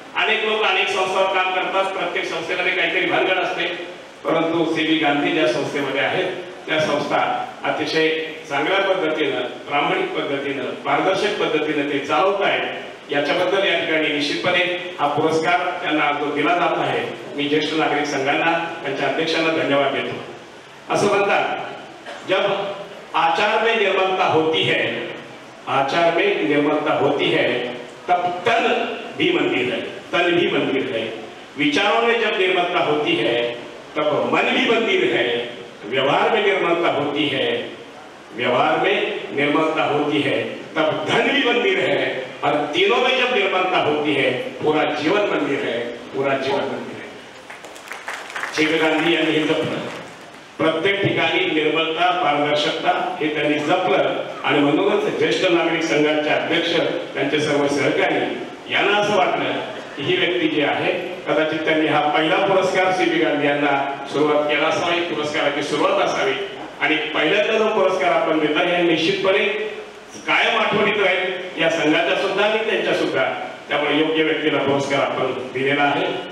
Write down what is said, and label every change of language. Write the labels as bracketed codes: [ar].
[mr] अनेक लोक अनेक संस्थांवर काम करतात, प्रत्येक संस्थेमध्ये काहीतरी भानगड असते, परंतु सी बी गांधी ज्या संस्थेमध्ये आहेत त्या संस्था अतिशय चांगल्या पद्धतीनं, प्रामाणिक पद्धतीनं, पारदर्शक पद्धतीनं ते चालवत आहेत, याच्याबद्दल या ठिकाणी निश्चितपणे हा पुरस्कार त्यांना जो दिला जात आहे, मी ज्येष्ठ नागरिक संघांना त्यांच्या अध्यक्षांना धन्यवाद देतो. असं म्हणतात, [hi] जब आचार में निर्मलता होती है, आचार में निर्मलता होती है तब तन भी मंदिर है, तन भी मंदिर है, विचारों में जब निर्मलता होती है तब मन भी मंदिर है, व्यवहार में निर्मलता होती है, व्यवहार में निर्मलता होती है तब धन भी मंदिर है, और तीनों में जब निर्मलता होती है पूरा जीवन मंदिर है, पूरा जीवन मंदिर है. [mr] शिव गांधी यांनी हे जपलं, प्रत्येक ठिकाणी निर्मलता, पारदर्शकता हे त्यांनी जपलं, आणि म्हणूनच ज्येष्ठ नागरिक संघाचे अध्यक्ष, त्यांचे सर्व सहकारी यांना असं वाटलं की ही व्यक्ती जी आहे, कदाचित त्यांनी हा पहिला पुरस्कार सी बी गांधी यांना सुरुवात केला असावी, पुरस्काराची सुरुवात असावी, आणि पहिल्यांदा जो पुरस्कार आपण देतो हे निश्चितपणे कायम आठवणीत राहील या संघाच्या सुद्धा आणि त्यांच्या सुद्धा, त्यामुळे योग्य व्यक्तीला पुरस्कार आपण दिलेला आहे.